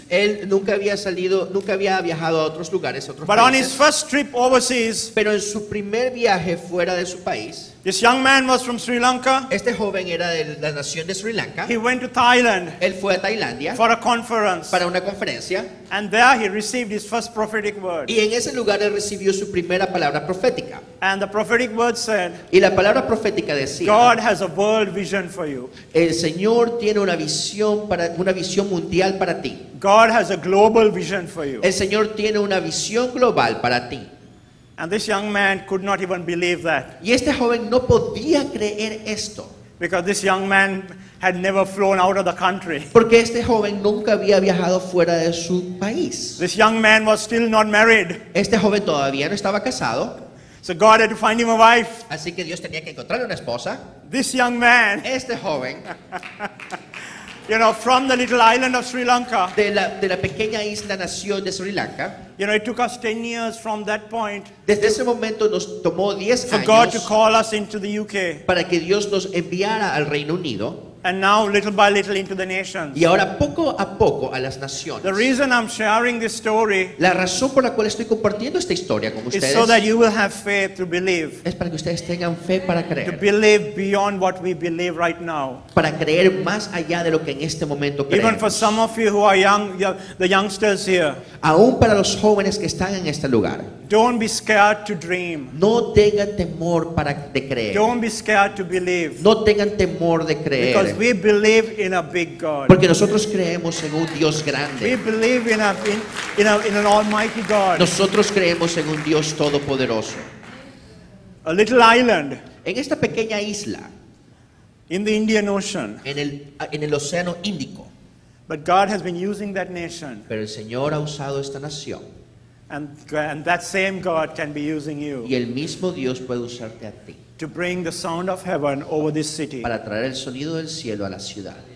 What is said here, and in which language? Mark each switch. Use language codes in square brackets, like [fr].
[es] Él nunca había salido, nunca había viajado a otros lugares, a otros [en] but [es] países. [en] On his first trip overseas, [es] pero en su primer viaje fuera de su país, [en] this young man was from Sri Lanka. [es] Este joven era de la nación de Sri Lanka. [en] He went to Thailand. [es] Él fue a Tailandia [en] for a conference. [es] Para una conferencia. [en] And there he received his first prophetic word. [es] Y en ese lugar él recibió su primera palabra profética. [en] And the prophetic word said, [es] y la palabra profética decía, [en] God has a world vision for you. [es] El Señor tiene una visión mundial para ti. [en] God has a global vision for you. [es] El Señor tiene una visión global para ti. [en] And this young man could not even believe that. [es] Y este joven no podía creer esto. [en] Because this young man had never flown out of the country. [es] Porque este joven nunca había viajado fuera de su país. [en] This young man was still not married. [es] Este joven todavía no estaba casado. [en] So God had to find him a wife. [es] Así que Dios tenía que encontrarle una esposa. [en] This young man. [es] Este joven. [en] You know, from the little island of Sri Lanka. [es] De la pequeña isla nación de Sri Lanka. [en] You know, it took us 10 years from that point. [es] Desde ese momento nos tomó 10 años. [en] For God to call us into the UK. [es] Para que Dios nos enviara al Reino Unido. [en] And now, little by little, into the nations. [es] Y ahora poco a poco a las naciones. [en] The reason I'm sharing this story. [es] La razón por la cual estoy compartiendo esta historia con ustedes. [en] Is so that you will have faith to believe. [es] Es para que ustedes tengan fe para creer. [en] To believe beyond what we believe right now. [es] Para creer más allá de lo que en este momento creemos. [en] Even for some of you who are young, the youngsters here. [es] Aún para los jóvenes que están en este lugar. [en] Don't be scared to dream. [es] No tengan temor para de creer. [en] Don't be scared to believe. [es] No tengan temor de creer. [en] Because we believe in a big God. [es] Porque nosotros creemos en un Dios grande. [en] We believe in an almighty God. [es] Nosotros creemos en un Dios todopoderoso. [en] A little island. [es] En esta pequeña isla. [en] In the Indian Ocean. [es] En el océano Índico. [en] But God has been using that nation. [es] Pero el Señor ha usado esta nación. [en] And that same God can be using you. [es] Y el mismo Dios puede usarte a ti. [en] To bring the sound of heaven over this city. [es] Para traer el sonido del cielo a la ciudad.